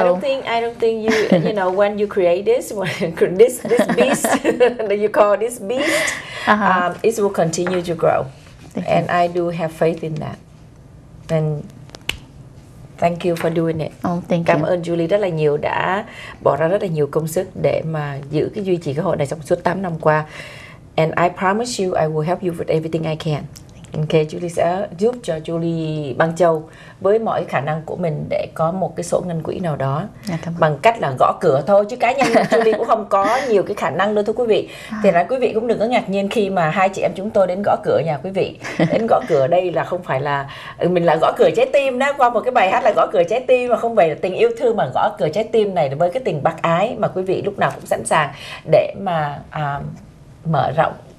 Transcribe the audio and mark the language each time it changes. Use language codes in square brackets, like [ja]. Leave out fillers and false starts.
[en] I don't think you know, when you create this beast that you call this beast, it will continue to grow. And I do have faith in that. And thank you for doing it. Oh, thank [vi] Cảm [en] you. [vi] Ơn Julie rất là nhiều, đã bỏ ra rất là nhiều công sức để mà giữ cái duy trì cái hội này trong suốt 8 năm qua. [en] And I promise you I will help you with everything I can. [vi] Okay, Julie sẽ giúp cho Julie Băng Châu với mọi khả năng của mình để có một cái sổ ngân quỹ nào đó. [en] Yeah, [vi] bằng cách là gõ cửa thôi, chứ cá nhân Julie cũng không có nhiều cái khả năng đâu thưa quý vị. Thì là quý vị cũng đừng có ngạc nhiên khi mà hai chị em chúng tôi đến gõ cửa nhà quý vị. Đến gõ cửa đây là không phải là mình là gõ cửa trái tim đó, qua một cái bài hát là gõ cửa trái tim, mà không phải là tình yêu thương, mà gõ cửa trái tim này với cái tình bác ái mà quý vị lúc nào cũng sẵn sàng để mà mở rộng